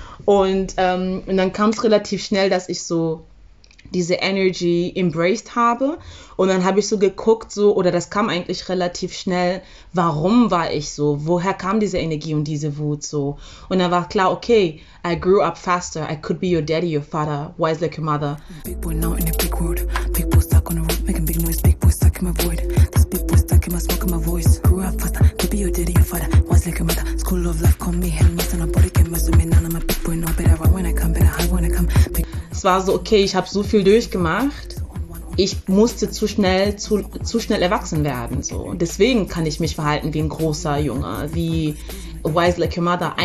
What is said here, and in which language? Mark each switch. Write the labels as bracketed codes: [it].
[de] Und dann kam es relativ schnell, dass ich so diese Energy embraced habe. Und dann habe ich so geguckt, so, oder das kam eigentlich relativ schnell, warum war ich so? Woher kam diese Energie und diese Wut so? Und dann war klar, okay, [en] I grew up faster. I could be your daddy, your father. Wise like your mother. Big boy now in a big world. Big boy stuck on the road, making big noise. Big boy stuck in my void. This big boy stuck in my smoke and my voice. Grew up faster, could be your daddy, your father. Wise like your mother. School of life, call me him. Mess on a body, can't mess with me. None of my big boy, no better. Right when I come, better hide when I come. [de] Es war so, okay, ich habe so viel durchgemacht, ich musste zu schnell erwachsen werden. So. Deswegen kann ich mich verhalten wie ein großer Junge, wie [en] wise like your mother.